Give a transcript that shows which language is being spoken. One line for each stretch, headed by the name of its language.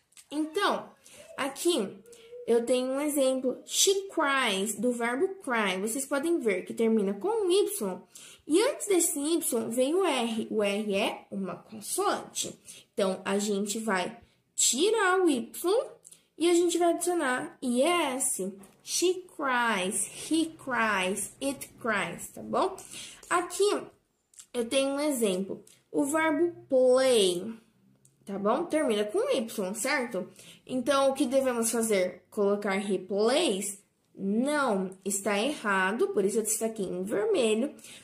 Portuguese: Então, aqui eu tenho um exemplo,
English: she cries,
Portuguese: do verbo cry. Vocês podem ver que termina com um Y. E antes desse Y, vem o R. O R é uma consoante. Então, a gente vai tirar o Y e a gente vai adicionar ES.
English: She cries, he cries, it cries, tá bom?
Portuguese: Aqui, eu tenho um exemplo. O verbo play, tá bom? Termina com Y, certo? Então, o que devemos fazer? Colocar
English: he plays?
Portuguese: Não, está errado, por isso eu destaquei em vermelho.